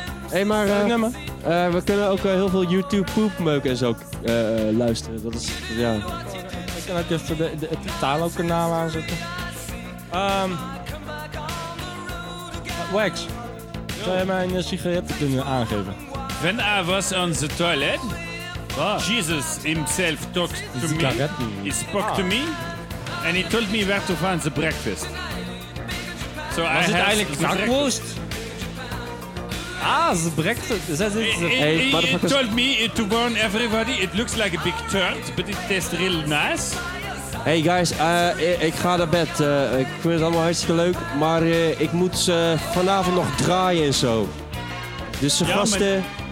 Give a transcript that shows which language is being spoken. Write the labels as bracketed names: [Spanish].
[Dutch] Hey, maar we kunnen ook heel veel YouTube poep meuken en zo luisteren. Dat is, ja. Ik kan ook even het Italo-kanaal aanzetten. Wax, zou jij mijn sigaretten kunnen aangeven? [English] When I was on the toilet, Jesus himself talked to me. He spoke to me and he told me where to find the breakfast. [Dutch] So was het eigenlijk zakwoest? [English] The breakfast. He told me to warn everybody. It looks like a big turd, but it tastes real nice. Hey guys, [Dutch] ik ga naar bed. Ik vind het allemaal hartstikke leuk, maar ik moet vanavond nog draaien en zo. Dus gasten,